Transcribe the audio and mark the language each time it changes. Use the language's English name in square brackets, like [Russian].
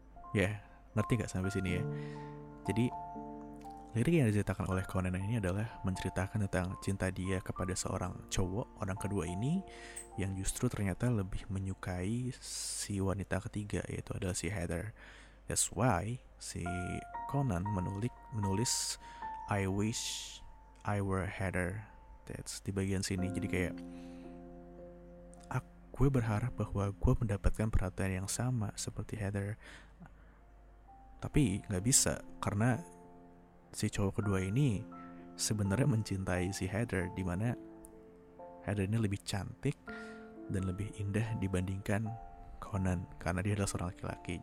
[Indonesian] Ya, yeah, ngerti gak sampai sini ya? Jadi lirik yang diceritakan oleh Conan ini adalah menceritakan tentang cinta dia kepada seorang cowok, orang kedua ini, yang justru ternyata lebih menyukai si wanita ketiga, yaitu adalah si Heather. [English] That's why [Indonesian] si Conan menulis [English] I wish I were Heather. [Indonesian] That's di bagian sini. Jadi kayak gue berharap bahwa gue mendapatkan perhatian yang sama seperti Heather, tapi gak bisa karena si cowok kedua ini sebenarnya mencintai si Heather, di mana Heather ini lebih cantik dan lebih indah dibandingkan Conan karena dia adalah seorang laki-laki.